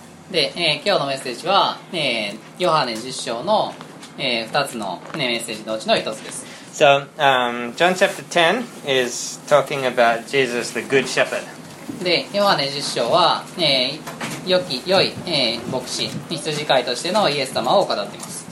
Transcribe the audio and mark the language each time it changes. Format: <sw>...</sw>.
<ja>で、今日のメッセージは、ヨハネ十章の、2つの、メッセージのうちの1つです。</ja> <en>So, John chapter 10 is talking about Jesus the good shepherd.</en> <ja>で、ヨハネ十章は、良い、牧師、羊飼いとしてのイエス様を語っています。</ja>